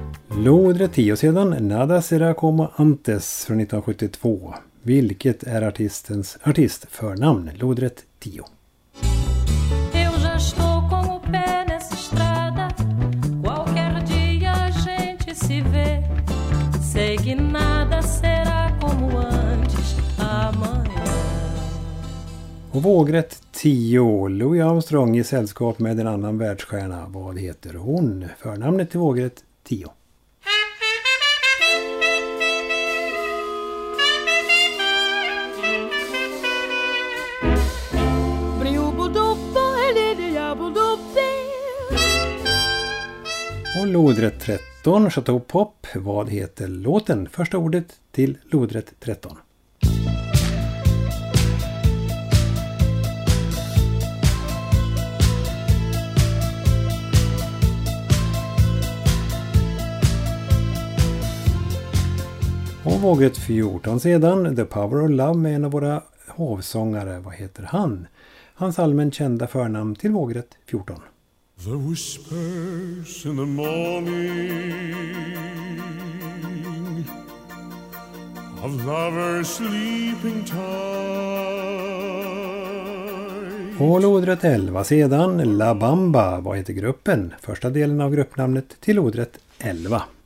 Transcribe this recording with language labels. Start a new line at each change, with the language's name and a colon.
Swedish: Lodrätt 10 sedan, Nada Será Como Antes från 1972. Vilket är artistens artistförnamn? Lodrätt 10.
Portuguese: Eu já estou com o pé nessa estrada. Qualquer dia a gente se vê. Sei que nada será como antes amanhã.
Swedish: Och vågrätt 10, Louis Armstrong i sällskap med en annan världsstjärna. Vad heter hon? Förnamnet till vågrätt 10. Och lodrätt 13, Chateau Pop. Vad heter låten? Första ordet till lodrätt 13. Och vågrätt 14 sedan, The Power of Love med en av våra hovsångare. Vad heter han? Hans allmänt kända förnamn till vågrätt 14.
English: The whispers in the morning of lovers sleeping tight.
Swedish: Och lodrätt 11 sedan, La Bamba. Vad heter gruppen? Första delen av gruppnamnet till lodrätt 11.